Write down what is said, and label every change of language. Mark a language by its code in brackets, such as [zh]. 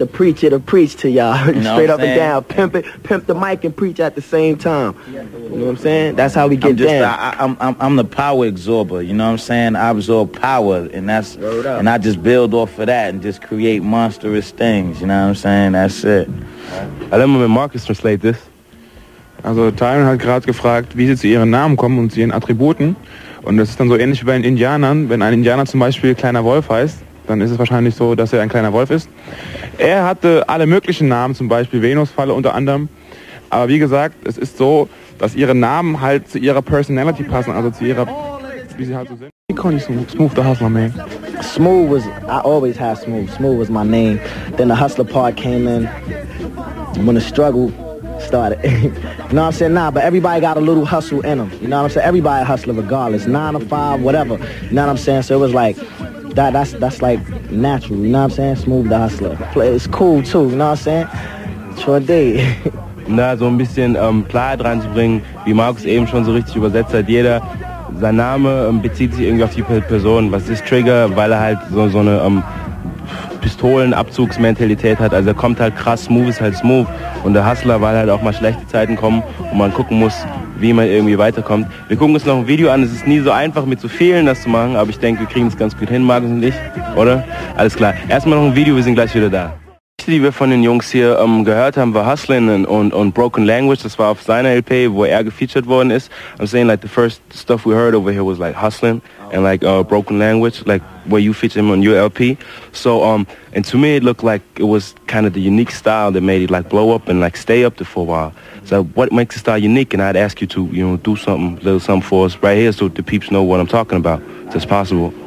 [en] You got to preach it or preach to y'all. You know straight up saying? And down, pimp it. Pimp the mic and preach at the same time. You know what I'm saying? That's how we get I'm just, down. I'm the power absorber. You know what I'm saying? I absorb power, and that's and I just build off of that and just create monstrous things. You know what I'm saying? That's it. I let my Marcus translate this. [de] Also Tyron hat gerade gefragt, wie sie zu ihren Namen kommen und zu ihren Attributen. Und das ist dann so ähnlich wie bei den Indianern. Wenn ein Indianer zum Beispiel kleiner Wolf heißt, dann ist es wahrscheinlich so, dass er ein kleiner Wolf ist. Er hatte alle möglichen Namen, zum Beispiel Venusfalle unter anderem. Aber wie gesagt, es ist so, dass ihre Namen halt zu ihrer Personality passen, also zu ihrer, wie sie halt so sind. Wie konnte ich Smooth the Hustler, man? [en] Smooth was, I always have Smooth. Smooth was my name. Then the Hustler part came in, when the struggle started. You know what I'm saying? Nah, but everybody got a little hustle in them. You know what I'm saying? Everybody a hustler regardless. 9 to 5, whatever. You know what I'm saying? So it was like, that's like natural. You know what I'm saying? Smooth the Hustler. It's cool too. You know what I'm saying? Short day. [de] Um da so ein bisschen Klarheit reinzubringen, wie Markus eben schon so richtig übersetzt hat, jeder, sein Name bezieht sich irgendwie auf die Person. Was ist Trigger? Weil er halt so eine Pistolenabzugsmentalität hat. Also er kommt halt krass, Smooth ist halt Smooth. Und der Hustler, weil halt auch mal schlechte Zeiten kommen und man gucken muss, wie man irgendwie weiterkommt. Wir gucken uns noch ein Video an. Es ist nie so einfach, mit so vielen das zu machen, aber ich denke, wir kriegen es ganz gut hin, Markus und ich, oder? Alles klar. Erstmal noch ein Video, wir sind gleich wieder da. Die wir von den Jungs hier gehört haben, war Hustlin' und Broken Language. Das war auf seiner LP, wo er gefeatured worden ist. [en] I'm saying, like, the first stuff we heard over here was, like, Hustlin' and, like, Broken Language, like, where you featured him on your LP. So, and to me, it looked like it was kind of the unique style that made it, like, blow up and, like, stay up there for a while. So what makes the style unique? And I'd ask you to, you know, do something, little something for us right here so the peeps know what I'm talking about, if that's possible.